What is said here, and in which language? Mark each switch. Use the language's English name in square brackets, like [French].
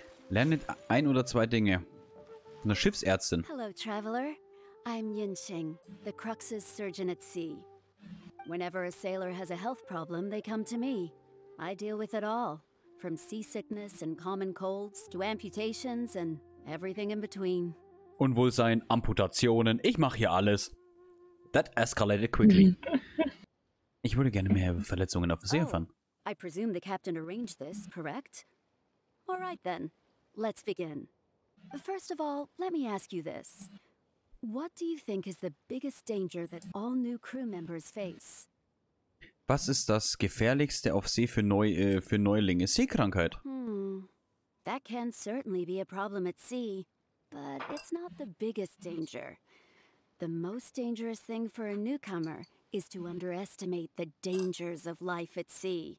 [German] Lernt ein oder zwei Dinge. Eine Schiffsärztin. [English] Hello, traveler. I'm Yinqing, the Crux's surgeon at sea. Whenever a sailor has a health problem, they come to me. I deal with it all. From seasickness and common colds to amputations and everything in between. [German] Unwohlsein, Amputationen, ich mache hier alles. [English] That escalated quickly. [German] Ich würde gerne mehr Verletzungen auf See erfahren. [English] I presume the captain arranged this, correct? All right then, let's begin. First of all, let me ask you this. What do you think is the biggest danger that all new crew members face? [German] Was ist das Gefährlichste auf See für Neulinge? Seekrankheit. [English] That can certainly be a problem at sea, but it's not the biggest danger. The most dangerous thing for a newcomer is to underestimate the dangers of life at sea.